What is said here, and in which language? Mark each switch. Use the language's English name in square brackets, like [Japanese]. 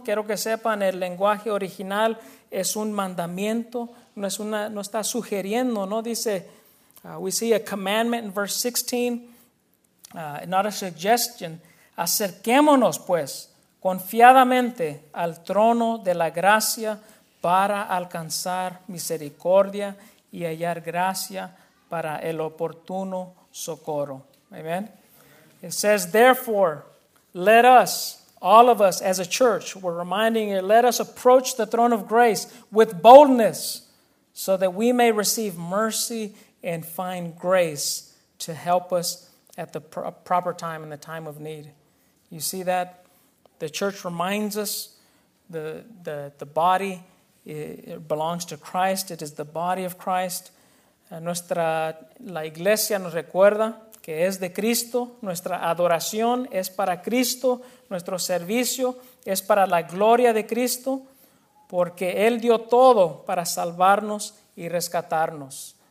[Spanish] Quiero que sepan, el lenguaje original es un mandamiento, no es una, no está sugiriendo, no dice, [English] we see a commandment in verse 16, not a suggestion. [Spanish] Acerquémonos pues confiadamente al trono de la gracia para alcanzar misericordia y hallar gracia para el oportuno socorro. Amen. [English] It says, therefore, let us, all of us as a church, we're reminding you, let us approach the throne of grace with boldness so that we may receive mercy and find grace to help us at the proper time, in the time of need. You see that? The church reminds us the body it belongs to Christ. It is the body of Christ. [Spanish] La iglesia nos recuerda que es de Cristo. Nuestra adoración es para Cristo. Nuestro servicio es para la gloria de Cristo. Porque Él dio todo para salvarnos y rescatarnos.